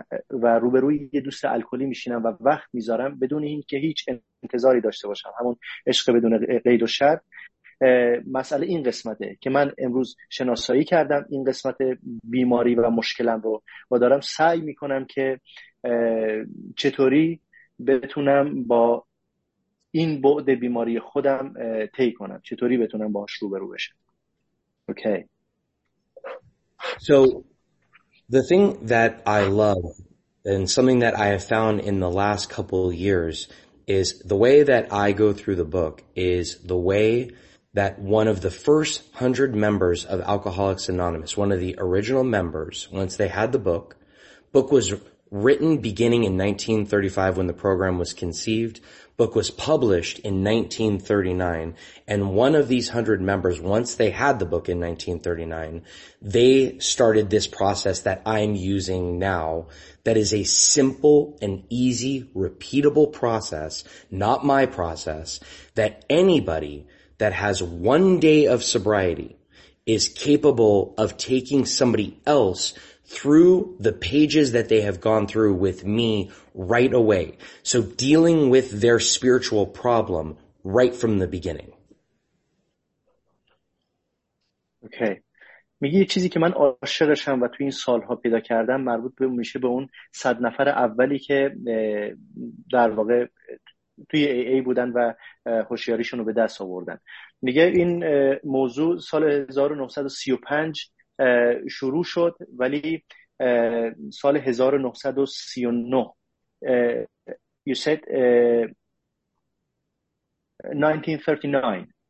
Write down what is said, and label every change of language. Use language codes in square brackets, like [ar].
[fa] و روبروی یه دوست الکلی میشینم و وقت میذارم بدون اینکه هیچ انتظاری داشته باشم، همون عشق بدون قید و شرط، مسئله این قسمته که من امروز شناسایی کردم این قسمت بیماری و مشکلم رو و دارم سعی میکنم که چطوری بتونم با این بعد بیماری خودم طی کنم، چطوری بتونم باهاش روبرو بشم. [en] Okay. So the thing that I love and something that I have found in the last couple of years is the way that I go through the book is the way that one of the first 100 members of Alcoholics Anonymous, one of the original members, once they had the book was written beginning in 1935 when the program was conceived, book was published in 1939, and one of these 100 members, once they had the book in 1939, they started this process that I'm using now, that is a simple and easy, repeatable process, not my process, that anybody that has one day of sobriety is capable of taking somebody else through the pages that they have gone through with me right away. So dealing with their spiritual problem right from the beginning. Okay. [fa] میگه یه چیزی که من عاشقشم و تو این سالها پیدا کردم مربوط به میشه به اون 100 نفر اولی که در واقع توی ای ای بودن و هوشیاریشون رو به دست آوردن. میگه این موضوع سال 1935 شروع شد، ولی سال 1939 [en] you said 1939